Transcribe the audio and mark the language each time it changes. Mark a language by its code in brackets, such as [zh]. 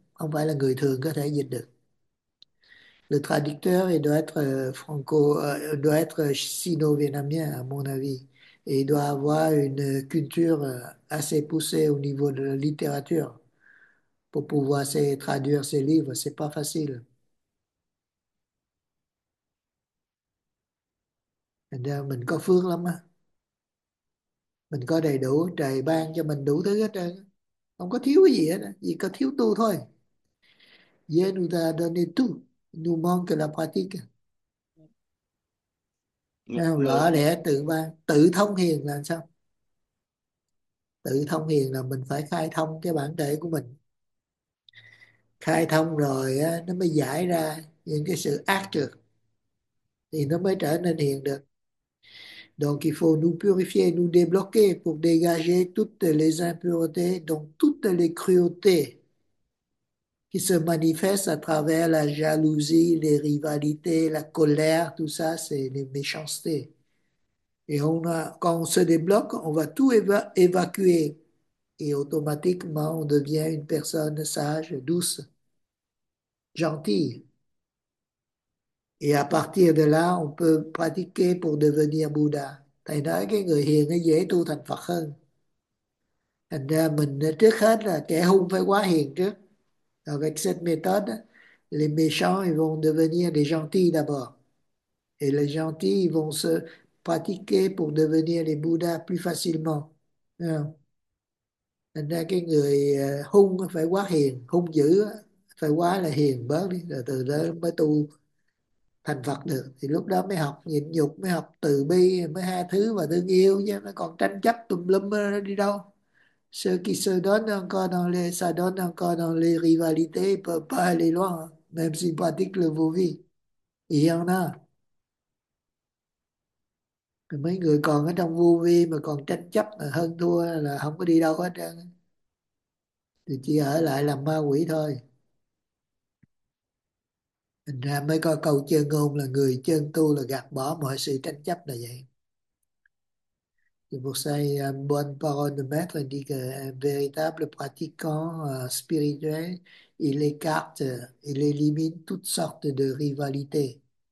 [vi] Không phải là người thường có thể dịch được. [fr] Le traducteur, il doit être franco, doit être sino-vietnamien, à mon avis. Et il doit avoir une culture assez poussée au niveau de la littérature pour pouvoir traduire ses livres. C'est pas facile. [vi] Mình có phước lắm á. Mình có đầy đủ, trời ban cho mình đủ thứ hết trơn. Không có thiếu cái gì hết, chỉ có thiếu tu thôi. [fr] Dieu nous a donné tout, nous manque la pratique. [vi] Nào, lỡ lẽ tự ban, tự thông hiền là sao? Tự thông hiền là mình phải khai thông cái bản thể của mình. Khai thông rồi á, nó mới giải ra những cái sự ác trược, thì nó mới trở nên hiền được. [fr] Donc il faut nous purifier, nous débloquer pour dégager toutes les impuretés, donc toutes les cruautés qui se manifeste à travers la jalousie, les rivalités, la colère, tout ça, c'est les méchancetés. Et quand on se débloque, on va tout évacuer et automatiquement on devient une personne sage, douce, gentille. Et à partir de là, on peut pratiquer pour devenir Bouddha. [vi] Thầy nói cái người hiền nó dễ tu thành Phật hơn. Thành ra mình trước hết là kẻ hung phải quá hiền trước. [fr] Avec cette méthode, les méchants ils vont devenir des gentils d'abord. Et les gentils ils vont se pratiquer pour devenir les Bouddhas plus facilement. Yeah. [vi] Thành ra cái người hung phải quá hiền, hung dữ phải quá là hiền bớt đi. Rồi từ đó mới tu thành Phật được. Thì lúc đó mới học nhịn nhục, mới học từ bi, mới tha thứ và thương yêu. Chứ nó còn tranh chấp tùm lum nó đi đâu. [fr] Ceux qui se donnent encore dans les, ça donne encore dans les rivalités, ils peuvent pas aller loin, même s'ils pratiquent le Vô-vi. Il y en a. [vi] Mấy người còn ở trong Vô-vi mà còn tranh chấp mà hơn thua là không có đi đâu hết trơn. Thì chỉ ở lại làm ma quỷ thôi. Thành ra mới có câu chơn ngôn là người chơn tu là gạt bỏ mọi sự tranh chấp là vậy. [fr] Vous savez, une bonne parole de maître dit qu'un véritable pratiquant spirituel, il écarte, il élimine toutes sortes de rivalités.